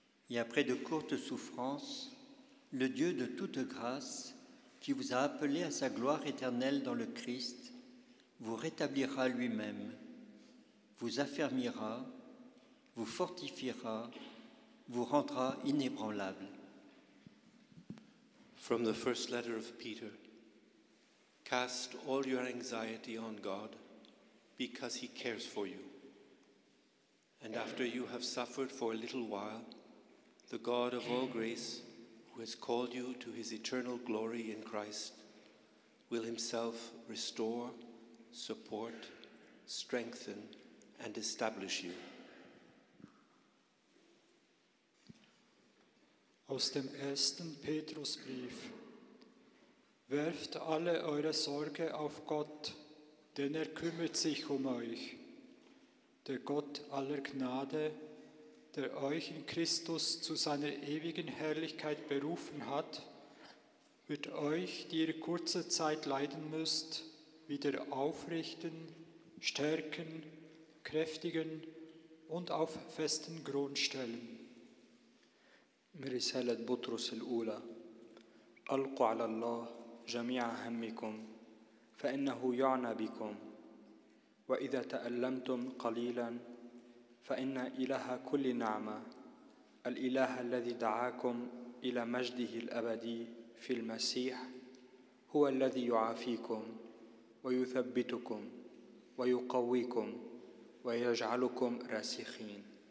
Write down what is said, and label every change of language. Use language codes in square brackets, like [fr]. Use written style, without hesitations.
[fr] Et après de courtes souffrances, le Dieu de toute grâce, qui vous a appelé à sa gloire éternelle dans le Christ, vous rétablira lui-même, vous affermira, vous fortifiera, vous rendra inébranlable. [en] From the first letter of Peter. Cast all your anxiety on God, because he cares for you. And after you have suffered for a little while, the God of all grace, who has called you to his eternal glory in Christ, will himself restore, support, strengthen, and establish you. [de] Aus dem ersten Petrusbrief. Werft alle eure Sorge auf Gott, denn er kümmert sich um euch. Der Gott aller Gnade, der euch in Christus zu seiner ewigen Herrlichkeit berufen hat, wird euch, die ihr kurze Zeit leiden müsst, wieder aufrichten, stärken, kräftigen und auf festen Grund stellen. [ar] رسالة بطرس الأولى. ألقوا على الله جميع همكم، فإنه يعنى بكم، وإذا تألمتم قليلا فإن إله كل نعمة، الإله الذي دعاكم إلى مجده الأبدي في المسيح، هو الذي يعافيكم ويثبتكم ويقويكم ويجعلكم راسخين.